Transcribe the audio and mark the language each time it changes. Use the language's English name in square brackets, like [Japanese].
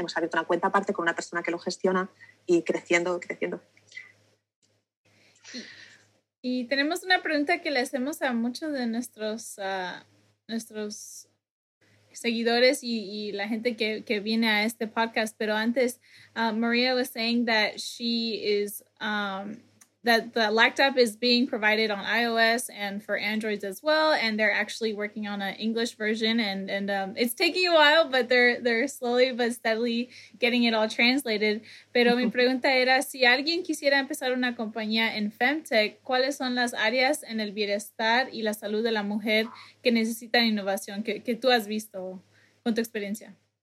[Spanish] Hemos abierto una cuenta aparte con una persona que lo gestiona y creciendo. Y tenemos una pregunta que le hacemos a muchos de nuestros seguidores y la gente que viene a este podcast. Pero antes, [English] Maria was saying that she is, that the LactApp is being provided on iOS and for Androids as well. And they're actually working on an English version. And it's taking a while, but they're slowly but steadily getting it all translated. [Spanish] Pero mi pregunta era, si alguien quisiera empezar una compañía en Femtech, ¿cuáles son las áreas en el bienestar y la salud de la mujer que necesitan innovación que tú has visto con tu experiencia?